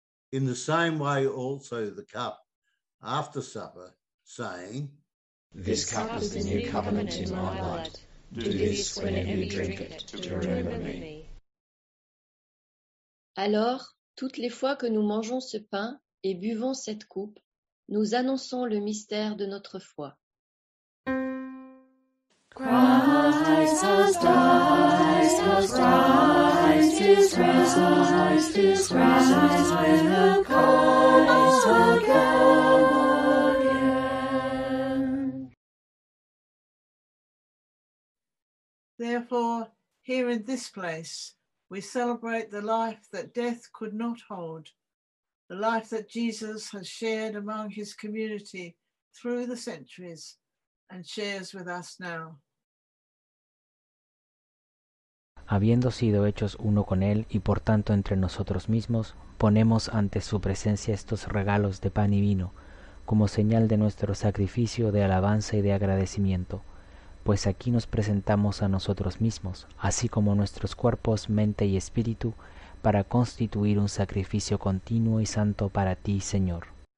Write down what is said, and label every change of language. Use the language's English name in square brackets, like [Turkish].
[English] In the same way also the cup after supper, saying, "This cup is the new covenant in my blood. Do this whenever you drink it to remember me." [French] Alors, toutes les fois que nous mangeons ce pain et buvons cette coupe, nous annonçons le mystère de notre foi. [English] Therefore, here in this place, we celebrate the life that death could not hold, the life that Jesus has shared among his community through the centuries and shares with us now. [Spanish] Habiendo sido hechos uno con él y por tanto entre nosotros mismos, ponemos ante su presencia estos regalos de pan y vino, como señal de nuestro sacrificio de alabanza y de agradecimiento, pues aquí nos presentamos a nosotros mismos, así como nuestros cuerpos, mente y espíritu, para constituir un sacrificio continuo y santo para ti, Señor.